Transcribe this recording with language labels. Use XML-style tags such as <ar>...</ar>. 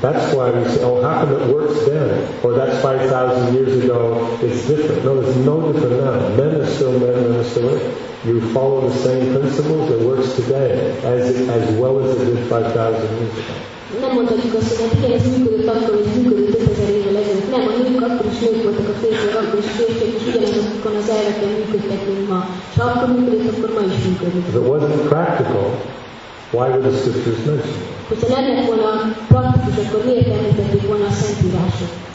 <en>That's why we say, oh, how come it works then? Or that's 5,000 years ago, it's different. No, there's no different now. Men are still men, women are still women. you follow the same principles that works today as well as it did 5,000 years ago.</en> <hu>Nem mondhatjuk azt, hogy hát igen, ez működött akkor, hogy működött 5000 évvel ezelőtt. Nem, a nők akkor is nők voltak, a férfiak akkor is férfiak, és ugyanazokon az elveken működtek, mint ma. És ha akkor működött, akkor ma is működött.</hu> <en>If it wasn't practical, why were the scriptures mentioned?</en> <hu>Hogyha nem lett volna praktikus, akkor miért említették volna a szentírások?</hu>